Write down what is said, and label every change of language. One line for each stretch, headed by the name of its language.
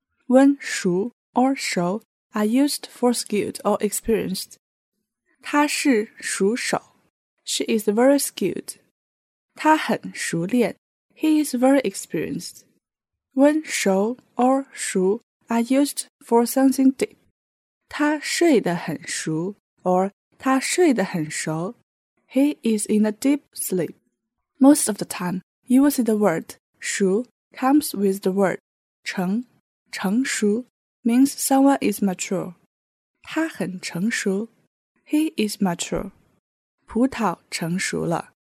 English: When 熟 or 熟 are used for skilled or experienced,
Chinese: 她是熟手。
English: She is very skilled.
Chinese: 他很熟练。
English: He is very experienced. When 熟 or 熟 are used for something deep.
Chinese: 他睡得很熟 or 他睡得很熟。
English: He is in a deep sleep. Most of the time, you will see the word 熟 comes with the word 成。成熟 means someone is mature.
Chinese: 他很成熟。
English: He is mature.
Chinese: 葡萄成熟了。